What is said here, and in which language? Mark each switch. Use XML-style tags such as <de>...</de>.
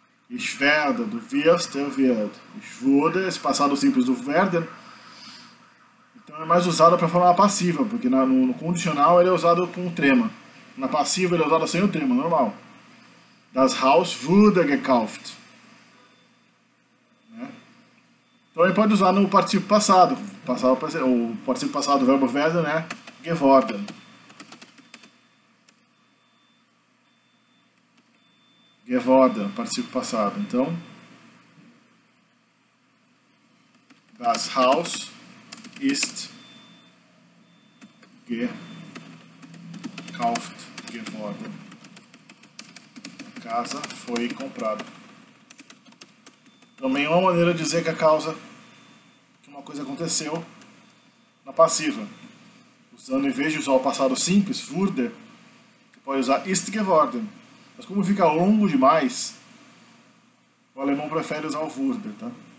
<de>Ich werde, du wirst, er wird. Ich wurde,</de> <pt>esse passado simples do werden. Então é mais usado para formar a passiva, porque no condicional ele é usado com o trema. Na passiva ele é usado sem o trema, normal.</pt> <de>Das Haus wurde gekauft.</de> <pt>Então ele pode usar no participio passado. O participio passado do verbo werden é geworden. Geworden, participio passado. Então,</pt> <de>das Haus ist gekauft, geworden.</de> <pt>A casa foi comprada. Também é uma maneira de dizer que a causa, que uma coisa aconteceu na passiva. Usando, em vez de usar o passado simples, wurde, você pode usar ist geworden. Mas como fica longo demais, o alemão prefere usar o wurde, tá?</pt>